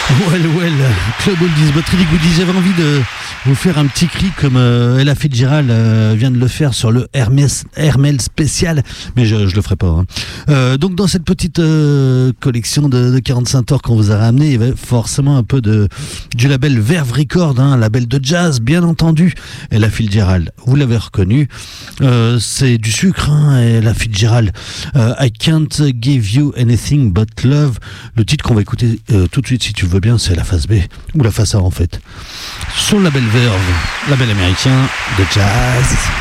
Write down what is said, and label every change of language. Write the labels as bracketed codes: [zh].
[fr] Well, Club Oldies, votre idée que vous disiez, j'avais envie de vous faire un petit cri comme Ella Fitzgerald vient de le faire sur le Hermel spécial, mais je le ferai pas. Donc dans cette petite collection de 45 tours qu'on vous a ramené, il y avait forcément un peu du label Verve Record, hein, label de jazz, bien entendu. Ella Fitzgerald, vous l'avez reconnu, c'est du sucre, hein, Ella Fitzgerald. [en] I can't give you anything but love. [fr] Le titre qu'on va écouter tout de suite, si tu veux bien, c'est la face B, ou la face A en fait. Sur le label Verve, label américain de jazz.